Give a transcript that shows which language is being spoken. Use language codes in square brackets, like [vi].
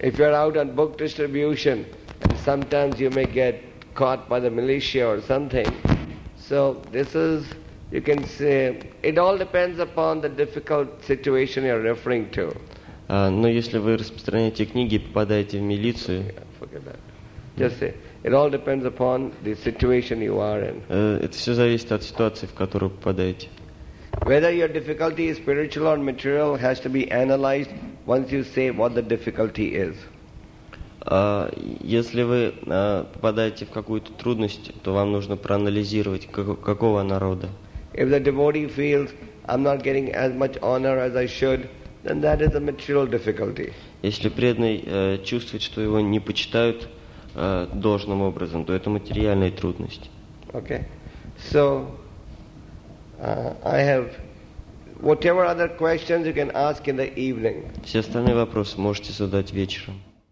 [en] If you're out on book distribution, sometimes you may get caught by the militia or something. So this is, you can say, it all depends upon the difficult situation you're referring to. [ru] Но если вы распространяете книги и попадаете в милицию, это все зависит от ситуации, в которую попадаете. [en] Whether your difficulty is spiritual or material has to be analyzed once you say what the difficulty is. [ru] Если вы попадаете в какую-то трудность, то вам нужно проанализировать, какого она рода. [en] If the devotee feels I'm not getting as much honor as I should, then that is a material difficulty. [ru] Если преданный чувствует, что его не почитают должным образом, то это материальная трудность. [en] Okay. So, I have whatever other questions you can ask in the evening. [ru] Все остальные вопросы можете задать вечером.